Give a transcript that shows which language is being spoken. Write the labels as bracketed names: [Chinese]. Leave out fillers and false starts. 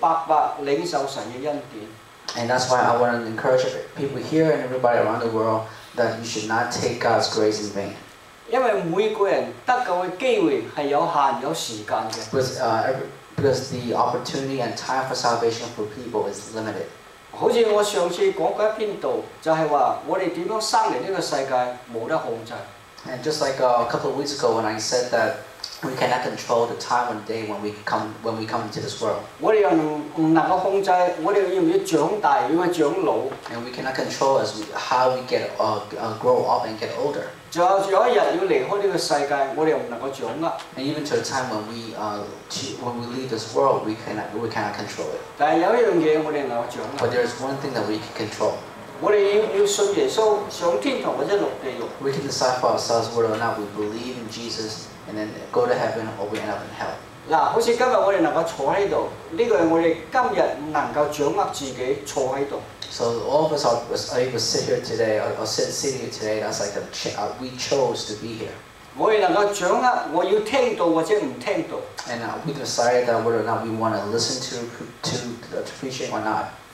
[Chinese] 这些人劝全世界的人,特别是今天在这里的人,不要白白领受神的恩典。 [English] And that's why I want to encourage people here and everybody around the world that you should not take God's grace in vain. [Chinese] 因为每个人得救的机会是有限,有时间的。 [English] Because the opportunity and time for salvation for people is limited. [Chinese] 好像我上次讲过一篇道,就是说我们怎样生来这个世界,没得控制。 [English] And just like a couple of weeks ago when I said that we cannot control the time and day when we come into this world. [Chinese] 我们不能控制我们要不要长大要不要长老。 [English] And we cannot control as how we get grow up and get older. [Chinese] 有一天要离开这个世界,我们不能掌握。 [English] And even to a time when we leave this world, we cannot control it. [Chinese] 但有一件事我们能掌握。 [English] But there is one thing that we can control. [Chinese] 我们要信耶稣上天堂或者落地狱。 [English] We can decide for ourselves whether or not we believe in Jesus and then go to heaven or we end up in hell. [Chinese] 好像今天我们能够坐在这里,这个我们今天能够掌握自己坐在这里。 [English] So all of us are able to sit here today, or sit here today, that's like we chose to be here. [Chinese] 我们能够掌握,我要听到或者不听到。 [English] And we decided that whether or not we want to listen to preaching or not.